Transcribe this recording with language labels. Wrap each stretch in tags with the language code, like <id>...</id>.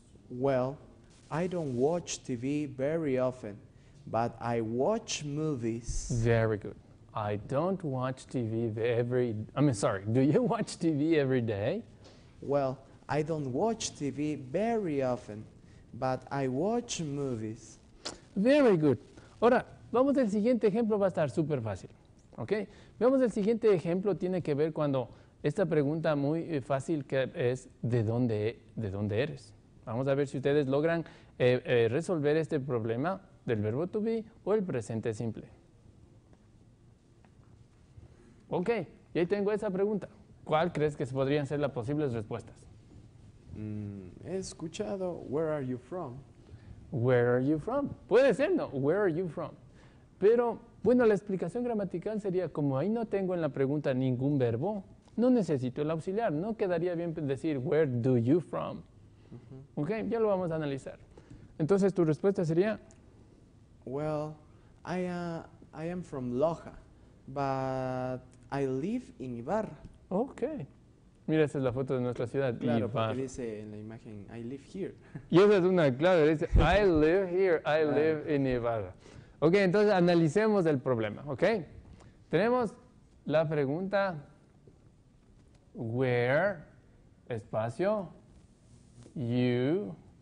<en>Well, I don't watch TV very often, but I watch movies. Very good. I don't watch TV do you watch TV every day? Well, I don't watch TV very often, but I watch movies. Very good.</en> <es>Ahora, vamos al siguiente ejemplo, va a estar súper fácil. ¿Ok? Vemos el siguiente ejemplo, tiene que ver cuando esta pregunta muy fácil que es ¿de dónde eres? Vamos a ver si ustedes logran resolver este problema del verbo to be o el presente simple. Ok, y ahí tengo esa pregunta. ¿Cuál crees que podrían ser las posibles respuestas? He escuchado,</es> <en>where are you from? Where are you from?</en> <es>Puede ser, ¿no?</es> <en>Where are you from?</en> <es>Pero, bueno, la explicación gramatical sería, como ahí no tengo en la pregunta ningún verbo, no necesito el auxiliar. No quedaría bien decir,</es> <en>where do you from?</en> <es>Uh-huh. Ok, ya lo vamos a analizar. Entonces, tu respuesta sería...</es> <en>Well, I am from Loja, but I live in Ibarra. Okay.</en> <es>Mira, esa es la foto de nuestra ciudad, claro, Ibarra. Claro, porque dice en la imagen,</es> <en>I live here.</en> <es>Y esa es una clave, dice,</es> <en>I live here, I live in Ibarra.</en> <es>Okay, entonces analicemos el problema, okay? Tenemos la pregunta, where, espacio, you,</es>